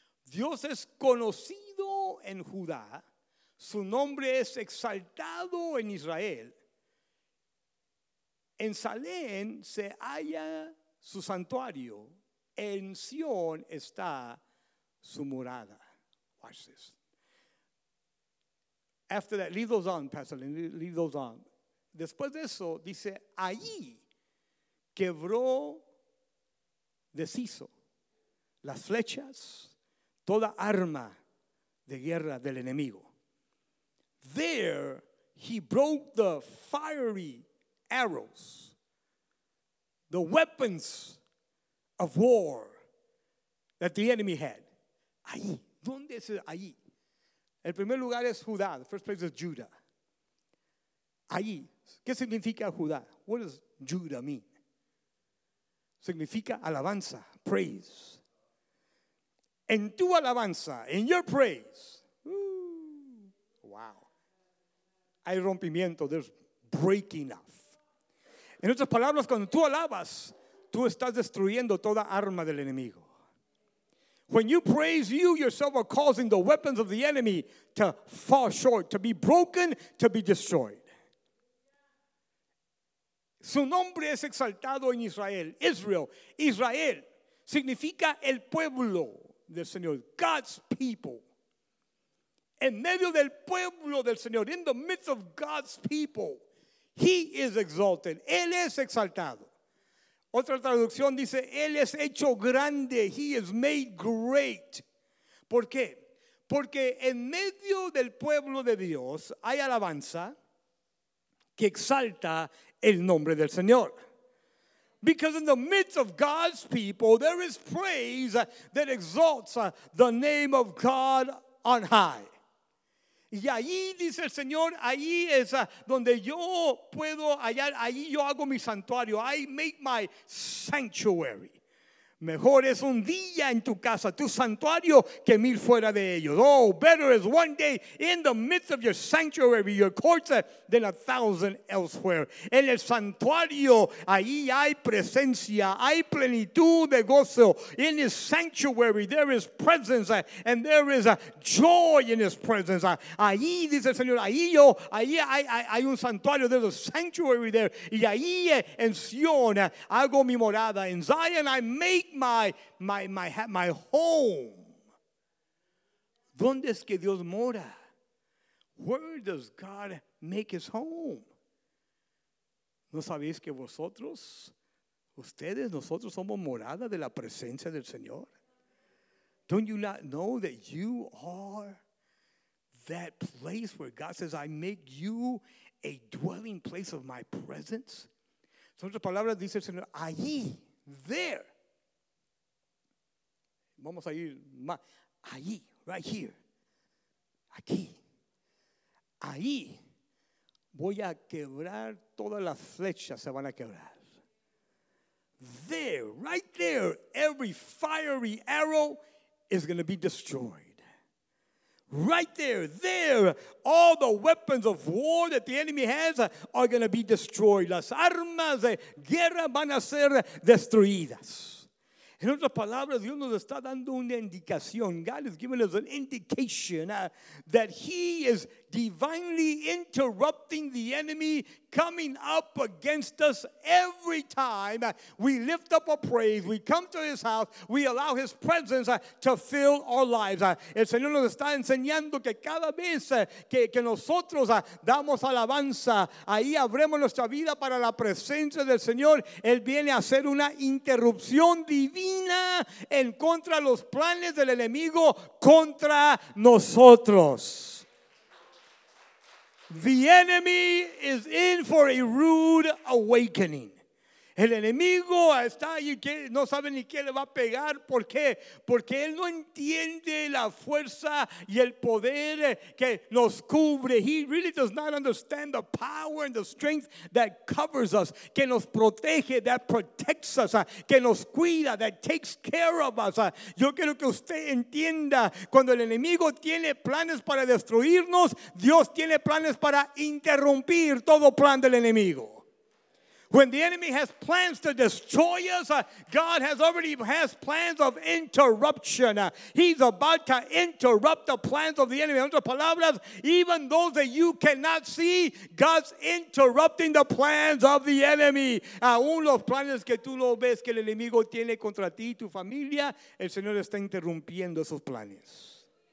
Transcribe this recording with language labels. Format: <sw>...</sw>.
<es>Dios es conocido en Judá, su nombre es exaltado en Israel. En Salem se halla su santuario, en Sion está su morada.</es> <en>Watch this. After that, leave those on, Pastor Lynn, leave those on.</en> <es>Después de eso, dice, allí quebró, deshizo las flechas, toda arma de guerra del enemigo.</es> <en>There he broke the fiery arrows, the weapons of war that the enemy had.</en> <es>Ahí. ¿Dónde es ahí? El primer lugar es Judá.</es> <en>The first place is Judah.</en> <es>Ahí. ¿Qué significa Judá?</es> <en>What does Judah mean?</en> <es>Significa alabanza, praise. En tu alabanza,</es> <en>in your praise. Wow.</en> <es>Hay rompimiento,</es> <en>there's breaking off.</en> <es>En otras palabras, cuando tú alabas, tú estás destruyendo toda arma del enemigo.</es> <en>When you praise, you yourself are causing the weapons of the enemy to fall short, to be broken, to be destroyed.</en> <es>Su nombre es exaltado en Israel. Israel. Israel significa el pueblo del Señor.</es> <en>God's people.</en> <es>En medio del pueblo del Señor.</es> <en>In the midst of God's people. He is exalted.</en> <es>Él es exaltado. Otra traducción dice, Él es hecho grande.</es> <en>He is made great.</en> <es>¿Por qué? Porque en medio del pueblo de Dios hay alabanza que exalta el nombre del Señor.</es> <en>Because in the midst of God's people, there is praise that exalts the name of God on high.</en> <es>Y ahí dice el Señor, ahí es donde yo puedo hallar, ahí yo hago mi santuario.</es> <en>I make my sanctuary.</en> <es>Mejor es un día en tu casa, tu santuario, que mil fuera de ellos.</es> <en>Oh, better is one day in the midst of your sanctuary, your courts, than a thousand elsewhere.</en> <es>En el santuario, ahí hay presencia, hay plenitud de gozo.</es> <en>In his sanctuary, there is presence, and there is joy in his presence.</en> <es>Ahí, dice el Señor, ahí yo, ahí hay un santuario,</es> <en>there's a sanctuary there.</en> <es>Y ahí en Sion, hago mi morada.</es> <en>In Zion, I make my home.</en> <es>¿Dónde es que Dios mora?</es> <en>Where does God make his home?</en> <es>¿No sabéis que vosotros, ustedes, nosotros somos morada de la presencia del Señor?</es> <en>Don't you not know that you are that place where God says, I make you a dwelling place of my presence?</en> <es>En otras palabras, dice el Señor, allí, there. Vamos a ir más. Allí,</es> <en>right here.</en> <es>Aquí. Ahí voy a quebrar todas las flechas, se van a quebrar.</es> <en>There, right there, every fiery arrow is going to be destroyed. Right there, there, all the weapons of war that the enemy has are going to be destroyed.</en> <es>Las armas de guerra van a ser destruidas. En otras palabras, Dios nos está dando una indicación.</es> <en>God is giving us an indication that he is divinely interrupting the enemy coming up against us every time we lift up a praise, we come to his house, we allow his presence to fill our lives.</en> <es>El Señor nos está enseñando que cada vez que nosotros damos alabanza, ahí abrimos nuestra vida para la presencia del Señor, Él viene a hacer una interrupción divina en contra de los planes del enemigo contra nosotros.</es> <en>The enemy is in for a rude awakening.</en> <es>El enemigo está ahí que no sabe ni qué le va a pegar. ¿Por qué? Porque él no entiende la fuerza y el poder que nos cubre.</es> <en>He really does not understand the power and the strength that covers us,</en> <es>que nos protege,</es> <en>that protects us,</en> <es>que nos cuida,</es> <en>that takes care of us.</en> <es>Yo quiero que usted entienda, cuando el enemigo tiene planes para destruirnos, Dios tiene planes para interrumpir todo plan del enemigo.</es> <en>When the enemy has plans to destroy us, God has already has plans of interruption. He's about to interrupt the plans of the enemy.</en> <es>En otras palabras,</es> <en>even those that you cannot see, God's interrupting the plans of the enemy.</en> <es>Aún los planes que tú no ves que el enemigo tiene contra ti y tu familia, el Señor está interrumpiendo esos planes.</es>